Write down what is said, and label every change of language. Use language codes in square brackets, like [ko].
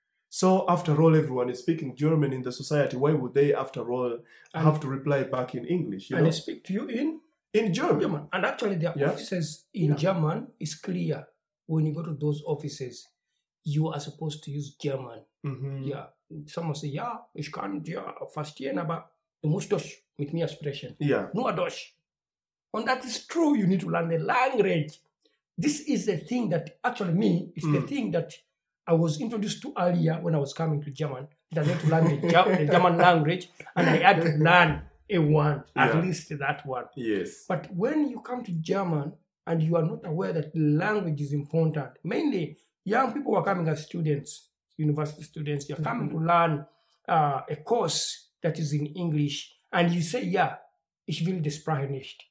[en] So, after all, everyone is speaking German in the society. Why would they, after all, have to reply back in English? You know? And I speak to you in? In German. And actually, the officers in German is clear. when you go to those offices, you are supposed to use German. Mm-hmm. Yeah. Someone say, yeah, [de] ich kann dir verstehen, aber du musst Deutsch mit mir sprechen. [en] Yeah. [de] Nur Deutsch. [en] And that is true. You need to learn the language. This is the thing that actually me, it's the thing that I was introduced to earlier when I was coming to German. I had to learn the German language, and I had to learn A1, at least that one. Yes. But when you come to German and you are not aware that language is important, mainly young people are coming as students, university students, you're coming to learn a course that is in English, and you say, yeah, [de] ich will das sprechen nicht.